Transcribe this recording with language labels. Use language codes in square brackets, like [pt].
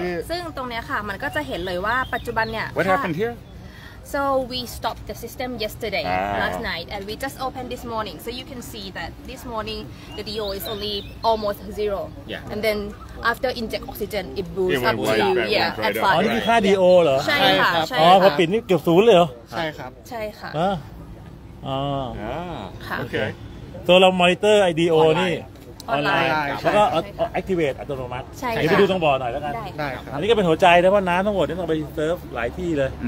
[th] ซึ่งตรงเนี้ยค่ะมันก็จะเห็นเลยว่าปัจจุบันเนี่ย [en] What happened here? So we stopped the system yesterday last night and we just opened this morning so you can see that this morning the DO is only almost zero yeah. and then after inject oxygen it boosts up to you yeah at 5 [th] อ๋อนี่คือค่า DO เหรอ ใช่ค่ะ อ๋อพอปิดนี่เกือบศูนย์เลยเหรอ ใช่ครับ ใช่ค่ะ อ๋ อ ค่ ะ โอเค โซลามอนิเตอร์ IDO นี่ ออนไลน์แล้วก็ activate อัตโนมัติ ใช่ ไปดูตรงบ่อหน่อยแล้วกัน ได้ครับ อันนี้ก็เป็นหัวใจนะว่าน้ำทั้งหมดนี่ต้องไปเซิร์ฟหลายที่เลย